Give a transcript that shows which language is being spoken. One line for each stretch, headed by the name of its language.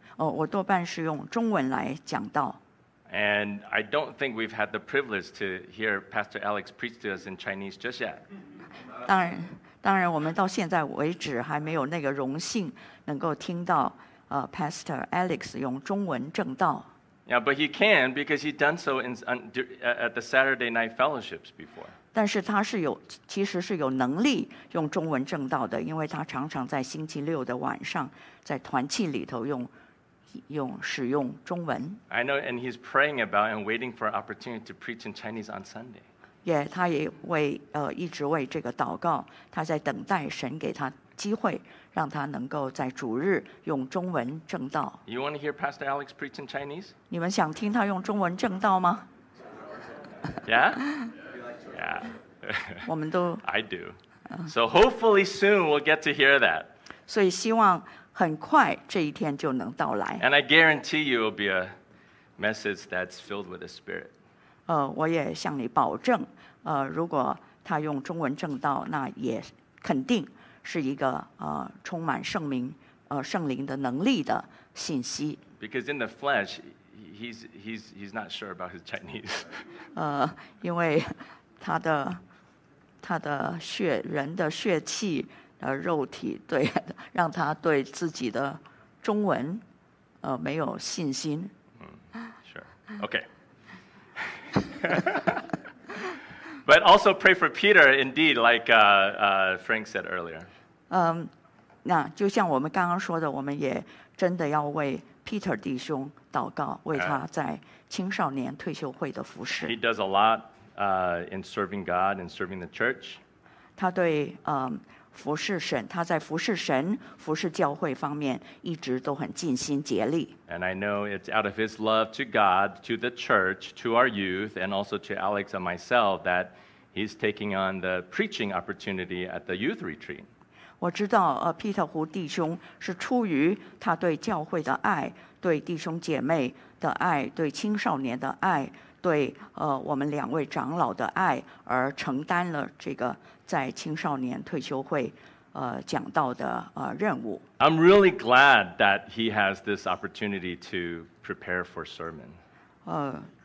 Chinese: 我多半是用中文来讲道。
English: And I don't think we've had the privilege to hear Pastor Alex preach to us in Chinese just yet.
Chinese: 当然我们到现在为止还没有那个荣幸能够听到Pastor Alex 用中文证道。
English: Yeah, but he can because he's done so at the Saturday night fellowships before.
Chinese: 但是他是有其实是有能力用中文证道的，因为他常常在星期六的晚上在团契里头使用中文。
English: I know, and he's praying about and waiting for an opportunity to preach in Chinese on Sunday.
Chinese: Yeah, 他也为一直为这个祷告，他在等待神给他机会，让他能够在主日用中文证道。
English: You want to hear Pastor Alex preach in Chinese?
Chinese: 你们想听他用中文证道吗？
English: Yeah? Yeah.
Chinese: 我们都
English: I do. So hopefully soon we'll get to hear that.
Chinese: 所以希望很快这一天就能到来。
English: And I guarantee you it'll be a message that's filled with the Spirit.
Chinese: 我也向你保证，如果他用中文证道，那也肯定是一个充满圣灵的能力的信息。
English: Because in the flesh, he's not sure about his Chinese.
Chinese: 因为他的血人的血气。肉体对让他对自己的中文没有信心。
English: Sure. Okay. But also pray for Peter indeed like Frank said earlier.
Chinese: 那就像我们刚刚说的我们也真的要为 Peter 弟兄祷告为他在青少年退休会的服事。
English: He does a lot in serving God and serving the church.
Chinese: 他对服侍神，他在服侍神、服侍教会方面一直都很尽心竭力。
English: And I know it's out of his love to God, to the church, to our youth, and also to Alex and myself that he's taking on the preaching opportunity at the youth retreat.
Chinese: 我知道，Peter 胡弟兄是出于他对教会的爱、对弟兄姐妹的爱、对青少年的爱、对我们两位长老的爱而承担了这个。在青少年退休会讲道的任务。
English: I'm really glad that he has this opportunity to prepare for sermon.